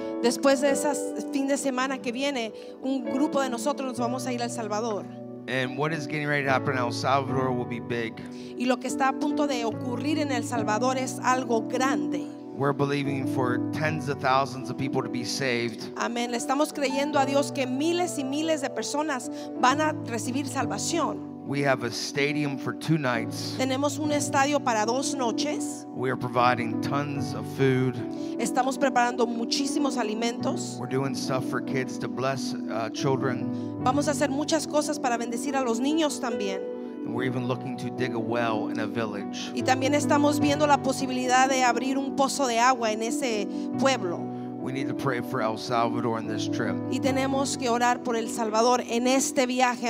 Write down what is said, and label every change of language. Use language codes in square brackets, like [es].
[es] Después de ese fin de semana que viene, un grupo de nosotros nos vamos a ir a El Salvador. [en] And what is getting ready to happen in El Salvador will be big. [es] Y lo que está a punto de ocurrir en El Salvador es algo grande. [en] We're believing for tens of thousands of people to be saved. [es] Amén. Le estamos creyendo a Dios que miles y miles de personas van a recibir salvación. [en] We have a stadium for two nights. [es] Tenemos un estadio para dos noches. [en] We are providing tons of food. [es] Estamos preparando muchísimos alimentos. [en] We're doing stuff for kids to bless children. [es] Vamos a hacer muchas cosas para bendecir a los niños también. [en] And we're even looking to dig a well in a village. [es] Y también estamos viendo la posibilidad de abrir un pozo de agua en ese pueblo. [en] We need to pray for El Salvador on this trip. [es] Y tenemos que orar por El Salvador en este viaje.